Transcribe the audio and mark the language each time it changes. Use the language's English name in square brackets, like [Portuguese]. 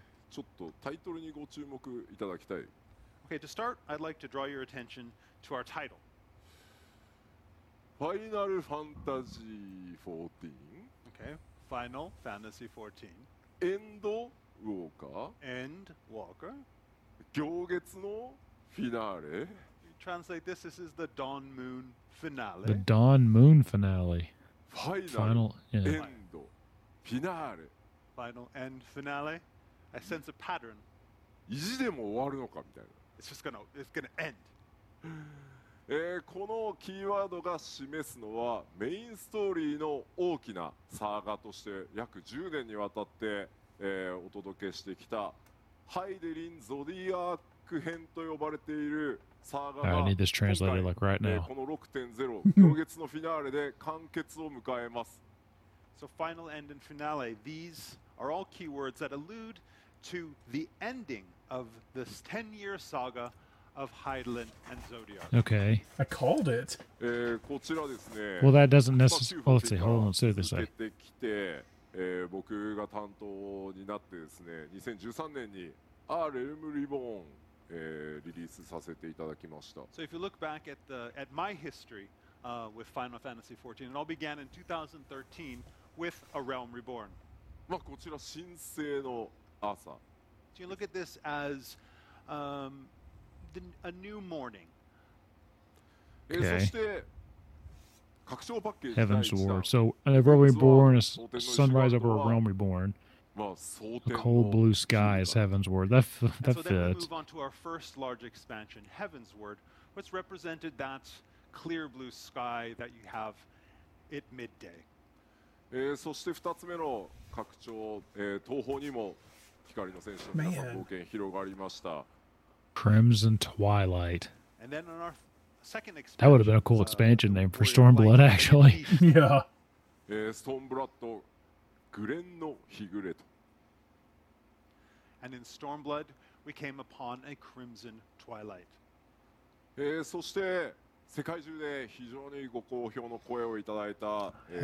[Japanese] ちょっとタイトルにご注目いただきたい。 [English] Okay, to start, I'd like to draw your attention to our title. Final Fantasy 14. Okay, Final Fantasy 14. [Japanese] End Walker. 行月のフィナーレ。 [English] Translate this, this is the Dawn Moon Finale. The Dawn Moon Finale. Final yeah. End. Finale. Final End Finale. I sense a pattern. [Japanese] 意地でも終わるのかみたいな。 [English] It's gonna end. [Japanese] このキーワードが示すのはメインストーリーの大きなサーガとして約10年にわたって、お届けしてきたハイデリン・ゾディアーク編と呼ばれている [English] I need this translated like right now. [Japanese] この 6.0 行月のフィナーレで完結を迎えます。 [English] So final end and finale, these are all keywords that allude to the ending of this 10-year saga of Heidelin and Zodiac. Okay. I called it. [Japanese] こちらですね。 [English] Well, that doesn't necessarily. Let's see. Hold on. Say this. [Japanese] 出てきて、僕が担当になってですね、2013年にアーレルムリボーンリリースさせていただきました。 [English] So if you look back at the at my history with Final Fantasy 14, it all began in 2013 with A Realm Reborn. [Japanese] まあこちら神聖の朝。 [English] So you look at this as a new morning. Okay. [Japanese] そして拡張パッケージ。 [English] Heaven's Ward. So A Realm Reborn is sunrise over A Realm Reborn. A cold blue sky is Heaven's Word. That fits. So then we move on to our first large expansion, Heaven's Word, which represented that clear blue sky that you have at midday. [Japanese] そして二つ目の拡張、東方にも光の戦士の皆さん冒険広がりました。 [English] Crimson Twilight. And then on our second expansion, that would have been a cool expansion name for Stormblood, actually. Yeah. Stormblood. And in Stormblood, we came upon a crimson twilight. [Japanese] そして世界中で非常にご好評の声をいただいた、